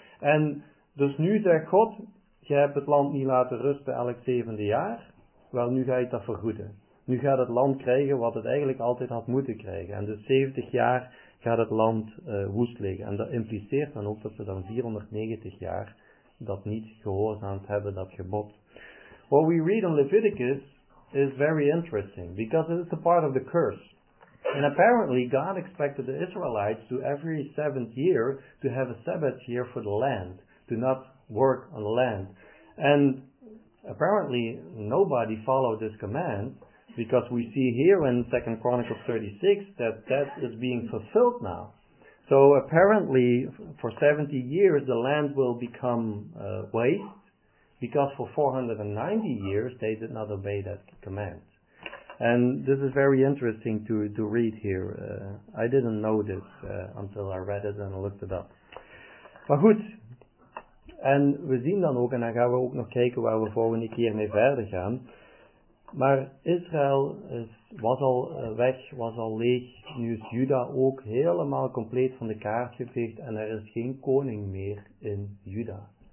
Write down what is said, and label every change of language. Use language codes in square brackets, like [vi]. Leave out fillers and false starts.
[nl] En dus nu zegt God, je hebt het land niet laten rusten elk 7e jaar. Wel, nu ga je dat vergoeden. Nu gaat het land krijgen wat het eigenlijk altijd had moeten krijgen. En dus 70 jaar gaat het land woest liggen. En dat impliceert dan ook dat ze dan 490 jaar dat niet gehoorzaamd hebben, dat gebod. [en] What we read in Leviticus is very interesting, because it is a part of the curse. And apparently God expected the Israelites to every 7th year to have a Sabbath year for the land, to not work on the land. And apparently nobody followed this command, because we see here in 2 Chronicles 36 that is being fulfilled now. So apparently for 70 years the land will become waste, because for 490 years they did not obey that command. And this is very interesting to read here. I didn't know this until I read it and looked it up. [nl] Maar goed, en we zien dan ook, en dan gaan we ook nog kijken waar we volgende keer mee verder gaan. Maar Israël was al weg, was al leeg. Nu is Juda ook helemaal compleet van de kaart geveegd en er is geen koning meer in Juda.